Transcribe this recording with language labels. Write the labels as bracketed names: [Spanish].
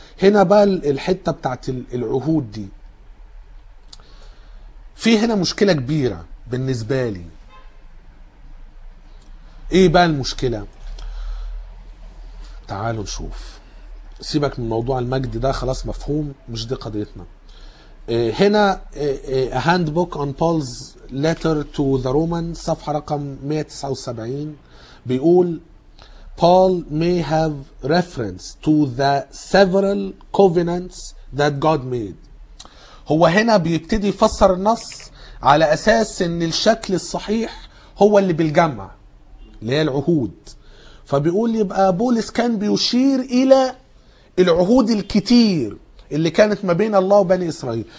[Arabic] هنا بقى الحته بتاعت العهود دي، في هنا مشكلة كبيرة بالنسبة لي. ايه بقى المشكلة؟ تعالوا نشوف. سيبك من موضوع المجد ده، خلاص مفهوم، مش دي قضيتنا. هنا [English] handbook on Paul's letter to the Romans [Arabic] صفحة رقم 179 بيقول [English] Paul may have reference to the several covenants that God made. [Arabic] هو هنا بيبتدي يفسر النص على اساس ان الشكل الصحيح هو اللي بالجمع اللي هي العهود، فبيقول يبقى بولس كان بيشير الى العهود الكتير اللي كانت ما بين الله وبني اسرائيل.